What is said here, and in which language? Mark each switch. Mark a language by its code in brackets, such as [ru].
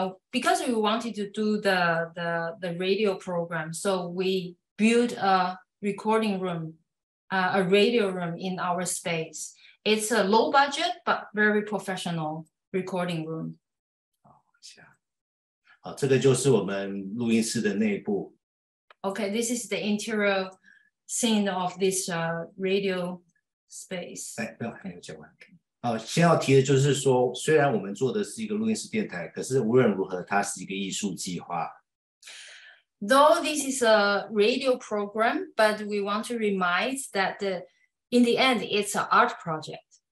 [en] Because we wanted to do the radio program, so we built a recording room, a radio room in our space. It's a low budget but very professional recording room. [zh] 好，这个就是我们录音室的内部。 [en] Okay, this is the interior scene of this radio space. [zh] 哎，不要，还没有讲完。先要提的就是说，虽然我们做的是一个录音室电台，可是无论如何，它是一个艺术计划。Though [en] this is a radio program, but we want to remind that in the end, it's an art project.